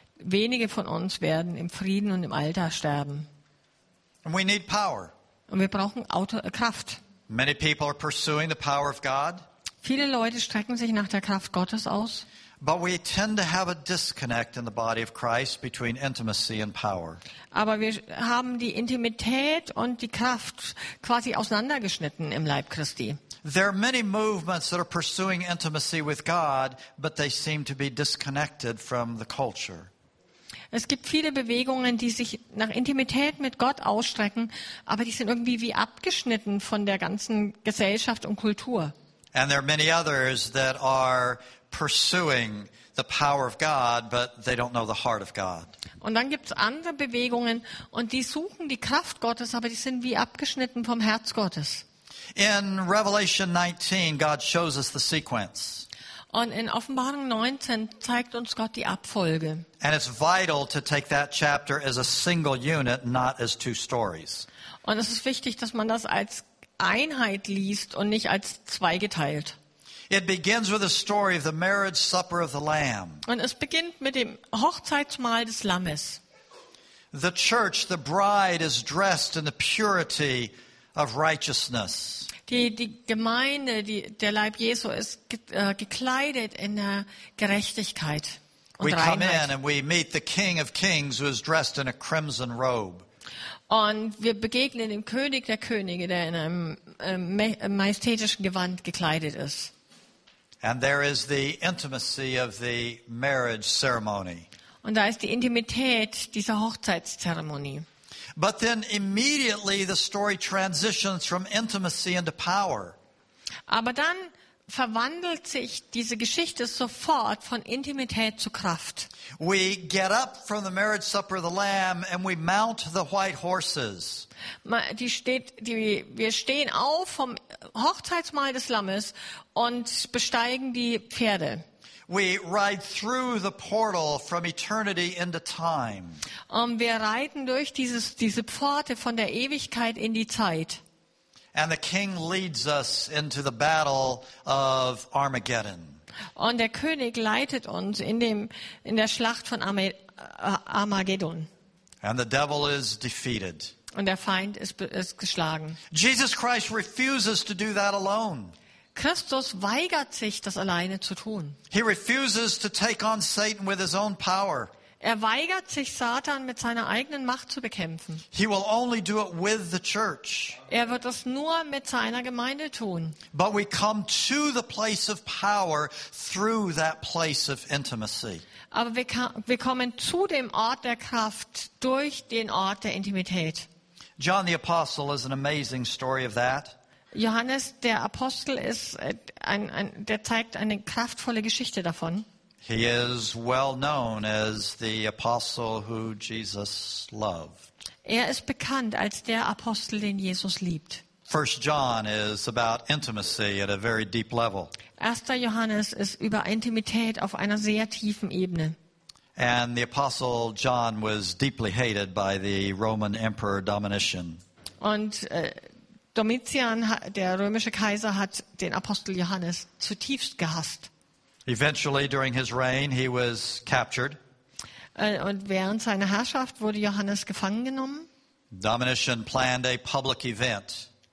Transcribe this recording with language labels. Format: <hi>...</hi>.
<de>Wenige von uns werden im Frieden und im Alter sterben.</de> <en>And we need power.</en> <de>Und wir brauchen Kraft.</de> <en>Many people are pursuing the power of God.</en> <de>Viele Leute strecken sich nach der Kraft Gottes aus.</de> <en>But we tend to have a disconnect in the body of Christ between intimacy and power.</en> <de>Aber wir haben die Intimität und die Kraft quasi auseinandergeschnitten im Leib Christi.</de> <en>There are many movements that are pursuing intimacy with God, but they seem to be disconnected from the culture.</en> <de>Es gibt viele Bewegungen, die sich nach Intimität mit Gott ausstrecken, aber die sind irgendwie wie abgeschnitten von der ganzen Gesellschaft und Kultur.</de> <en>And there are many others that are pursuing the power of God, but they don't know the heart of God.</en> <de>Und dann gibt's andere Bewegungen und die suchen die Kraft Gottes, aber die sind wie abgeschnitten vom Herz Gottes.</de> <en>In Revelation 19, God shows us the sequence.</en> <de>Und in Offenbarung 19 zeigt uns Gott die Abfolge.</de> <en>And it's vital to take that chapter as a single unit, not as two stories.</en> <de>Und es ist wichtig, dass man das als Einheit liest und nicht als zweigeteilt.</de> <en>It begins with a story of the marriage supper of the Lamb.</en> <de>Und es beginnt mit dem Hochzeitsmahl des Lammes.</de> <en>The church, the bride, is dressed in the purity of righteousness.</en> <de>Die Gemeinde, der Leib Jesu ist gekleidet in der Gerechtigkeit und Reinheit.</de> <en>We come in and we meet the King of Kings, who is dressed in a crimson robe.</en> <de>Und wir begegnen dem König der Könige, der in einem majestätischen Gewand gekleidet ist.</de> <en>And there is the intimacy of the marriage ceremony.</en> <de>Und da ist die Intimität dieser Hochzeitszeremonie.</de> <en>But then immediately the story transitions from intimacy into power.</en> <de>Aber dann verwandelt sich diese Geschichte sofort von Intimität zu Kraft.</de> <en>We get up from the marriage supper of the Lamb and we mount the white horses.</en> <de>Wir stehen auf vom Hochzeitsmahl des Lammes und besteigen die Pferde.</de> <en>We ride through the portal from eternity into time.</en> <de>Wir reiten durch diese Pforte von der Ewigkeit in die Zeit.</de> <en>And the king leads us into the battle of Armageddon.</en> <de>Und der König leitet uns in der Schlacht von Armageddon.</de> <en>And the devil is defeated.</en> <de>Und der Feind ist geschlagen.</de> <en>Jesus Christ refuses to do that alone.</en> <de>Christus weigert sich, das alleine zu tun.</de> <en>He refuses to take on Satan with his own power.</en> <de>Er weigert sich, Satan mit seiner eigenen Macht zu bekämpfen.</de> <en>He will only do it with the church.</en> <de>Er wird es nur mit seiner Gemeinde tun.</de> <en>But we come to the place of power through that place of intimacy.</en> <de>Aber wir kommen zu dem Ort der Kraft durch den Ort der Intimität.</de> <en>John the Apostle is an amazing story of that.</en> <de>Johannes der Apostel ist der zeigt eine kraftvolle Geschichte davon.</de> <en>He is well known as the apostle who Jesus loved.</en> <de>Er ist bekannt als der Apostel, den Jesus liebt.</de> <en>1 John is about intimacy at a very deep level.</en> <de>1. Johannes ist über Intimität auf einer sehr tiefen Ebene.</de> <en>And the apostle John was deeply hated by the Roman emperor Domitian.</en> <de>Und Domitian, der römische Kaiser, hat den Apostel Johannes zutiefst gehasst.</de> <en>Eventually during his reign he was captured.</en> <de>Und während seiner Herrschaft wurde Johannes gefangen genommen.</de> <en>Domitian planned a public event.</en>